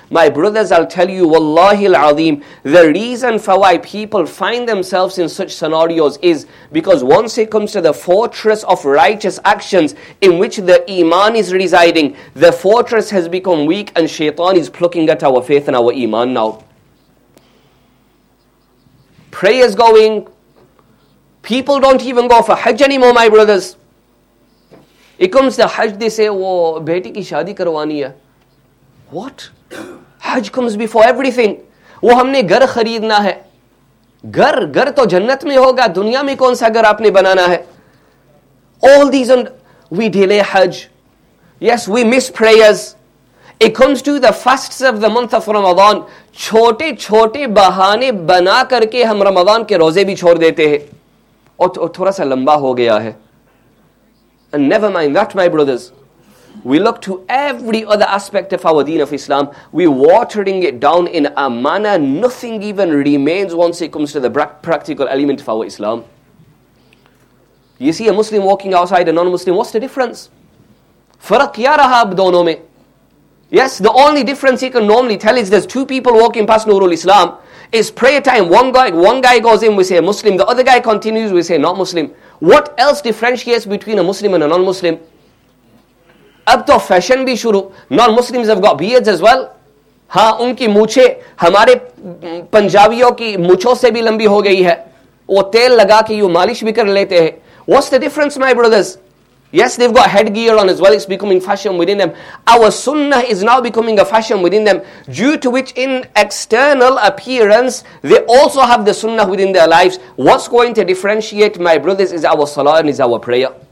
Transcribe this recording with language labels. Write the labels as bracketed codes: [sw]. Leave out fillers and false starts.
[en] My brothers, I'll tell you, wallahi al-azim, the reason for why people find themselves in such scenarios is because once it comes to the fortress of righteous actions in which the iman is residing, the fortress has become weak and shaitan is plucking at our faith and our iman now. Prayers going, people don't even go for hajj anymore, my brothers. It comes to hajj, they say, oh, [ur] beti ki shadi karwani hai. [en] What? Hajj comes before everything. [ur] وہ ہم نے گھر خریدنا ہے۔ گھر تو جنت میں ہوگا، دنیا میں کون سا گھر آپ نے بنانا ہے۔ [en] All these, and we delay hajj. Yes, we miss prayers. It comes to the fasts of the month of Ramadan. [ur] چھوٹے چھوٹے بہانے بنا کرکے ہم رمضان کے روزے بھی چھوڑ دیتے ہیں۔ تھوڑا سا لمبا ہو گیا ہے۔ [en] And never mind that, my brothers. We look to every other aspect of our deen of Islam. We're watering it down in a manner. Nothing even remains once it comes to the practical element of our Islam. You see a Muslim walking outside a non-Muslim, what's the difference? [ur] فرق کیا رہا اب دونوں میں؟ [en] Yes, the only difference you can normally tell is there's two people walking past Nurul Islam. It's prayer time. One guy goes in, we say Muslim. The other guy continues, we say not Muslim. What else differentiates between a Muslim and a non-Muslim? [ur] اب تو fashion بھی شروع۔ [en] Non-Muslims have got beards as well. [ur] ہاں، ان کی مونچھیں ہمارے پنجابیوں کی مونچھوں سے بھی لمبی ہو گئی ہیں۔ وہ تیل لگا کے یوں مالش بھی کر لیتے ہیں۔ [en] What's the difference, my brothers? Yes, they've got headgear on as well. It's becoming fashion within them. Our sunnah is now becoming a fashion within them, due to which in external appearance, they also have the sunnah within their lives. What's going to differentiate, my brothers, is our salah and is our prayer.